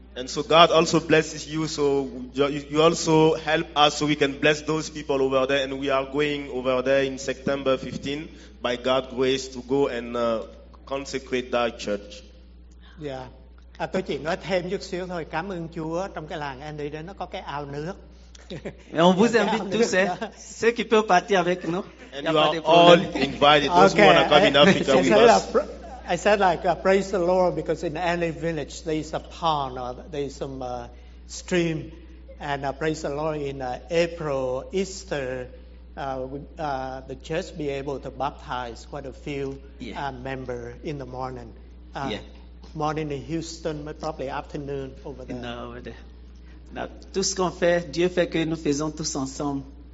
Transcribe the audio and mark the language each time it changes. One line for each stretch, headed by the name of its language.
English: And so God also blesses you, so you also help us so we can bless those people over there. And we are going over there in September 15, by God's grace, to go and consecrate that church. Yeah.
Vietnamese: Tôi chỉ nói thêm chút xíu thôi. Cảm ơn Chúa trong cái làng Andy đó, nó có cái ao nước.
French: Et on vous invite tous, ceux qui peuvent partir avec nous.
English: And you are all invited, those who want to come in Africa with us. I said, like, praise the Lord, because in any village there is a pond or there is some stream. And praise the Lord, in April, Easter, the church be able to baptize quite a few members in the morning. Morning in Houston, but probably afternoon over there. No, over there.
French: Now, tout ce qu'on fait, Dieu fait que nous faisons tous ensemble.